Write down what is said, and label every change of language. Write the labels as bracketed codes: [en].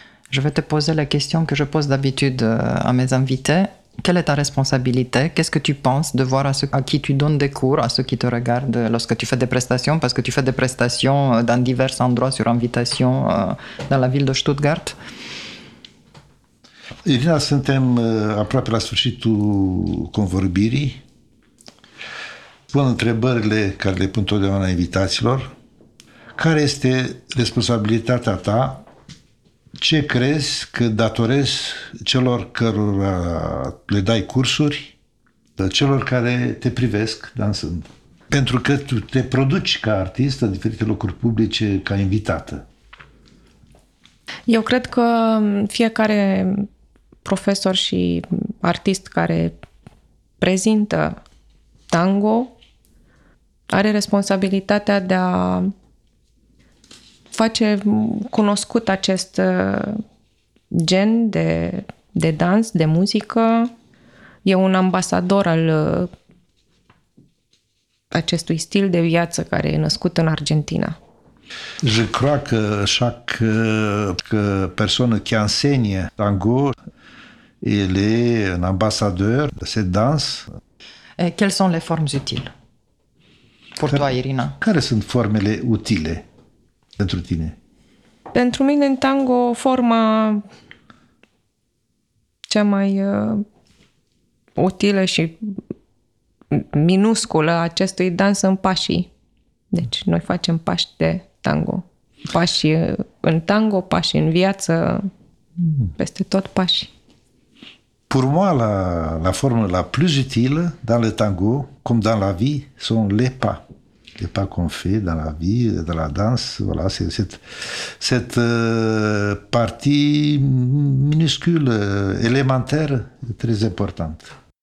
[fr] Je vais te poser la question que je pose d'habitude à mes invités. Quelle est ta responsabilité? Qu'est-ce que tu penses de voir à ceux à qui tu donnes des cours, à ceux qui te regardent lorsque tu fais des prestations, parce que tu fais des prestations dans divers endroits sur invitation dans la ville de Stuttgart? [ro] Irina, suntem aproape la sfârșitul convorbirii. Pun întrebările care le pun totdeauna invitaților. Care este responsabilitatea ta? Ce crezi că datorezi celor cărora le dai cursuri, celor care te privesc dansând? Pentru că tu te produci ca artist în diferite locuri publice, ca invitată. Eu cred că fiecare profesor și artist care prezintă tango are responsabilitatea de a face cunoscut acest gen de dans, de muzică. E un ambasador al acestui stil de viață care e născut în Argentina. [fr] Je crois que chaque personne qui enseigne tango, il est un ambassadeur de cette danse. Et quelles sont les formes utiles pour toi, Irina? [ro] Care sunt formele utile pentru tine? Pentru mine, în tango, forma cea mai utilă și minusculă acestui dans în pașii. Deci, noi facem pași de tango. Pași în tango, pași în viață, peste tot pași. [fr] Pour moi, la forme la plus utile dans le tango, comme dans la vie, sont les pas. Les pas qu'on fait dans la vie, dans la danse, voilà, c'est cette partie minuscule, élémentaire, très importante.